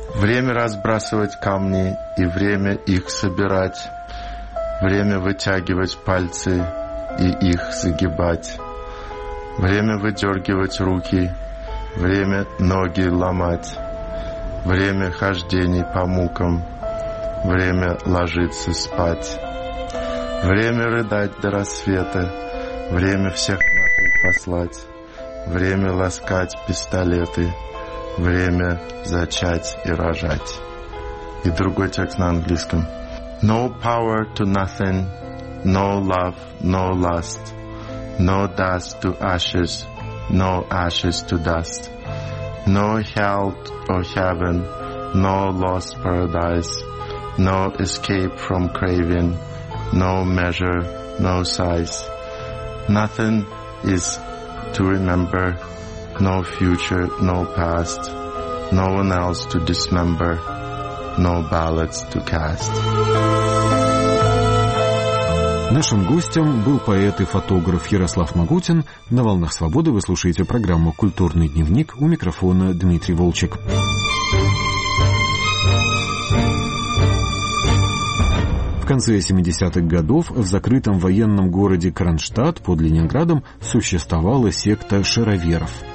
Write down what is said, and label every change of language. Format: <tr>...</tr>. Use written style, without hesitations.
<ru>Время разбрасывать камни и время их собирать, время вытягивать пальцы и их загибать, время выдергивать руки, время ноги ломать, время хождений по мукам, время ложиться спать, время рыдать до рассвета, время всех нахуй послать, время ласкать пистолеты, время зачать и рожать. И другой текст на английском.</ru> <en>No power to nothing, no love, no lust, no dust to ashes, no ashes to dust, no hell or heaven, no lost paradise, no escape from craving, no measure, no size, nothing is to remember, no future, no past, no one else to dismember, no ballots to cast.</en> <ru>Нашим гостем был поэт и фотограф Ярослав Магутин. На «Волнах свободы» вы слушаете программу «Культурный дневник». У микрофона Дмитрий Волчек. В конце 70-х годов в закрытом военном городе Кронштадт под Ленинградом существовала секта шароверов.</ru>